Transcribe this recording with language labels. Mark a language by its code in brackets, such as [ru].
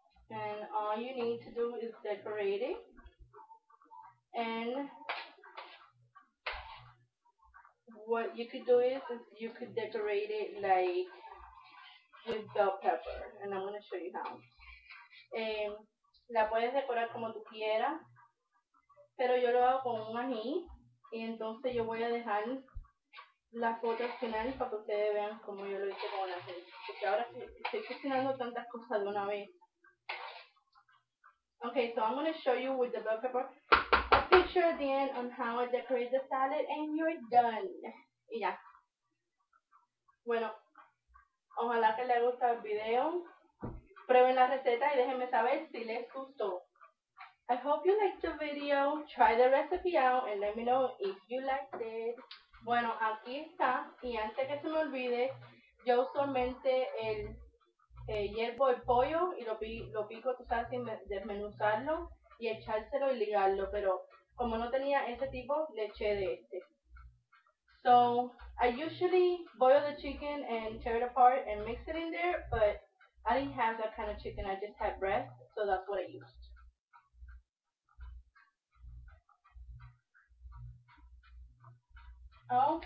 [en] And all you need to do is decorate it. And what you could do is you could decorate it like with bell pepper, and I'm going to show you how. [es] La puedes decorar como tú quieras, pero yo lo hago con un ají, y entonces yo voy a dejar las fotos finales para que ustedes vean cómo yo lo hice con el ají. Porque ahora estoy cocinando tantas cosas de una vez. [en] Okay, so I'm going to show you with the bell pepper. Picture at the end on how I decorate the salad and you're done. [es] Y ya. Bueno, ojalá que les guste el video. Prueben la receta y déjenme saber si les gustó. [en] I hope you liked the video. Try the recipe out and let me know if you liked it. [es] Bueno, aquí está. Y antes que se me olvide, yo solamente hiervo el pollo y lo pico, tú sabes, sin desmenuzarlo y echárselo y ligarlo, pero como no tenía ese tipo, le eché de este. [en] So, I usually boil the chicken and tear it apart and mix it in there, but I didn't have that kind of chicken, I just had breast, so that's what I used.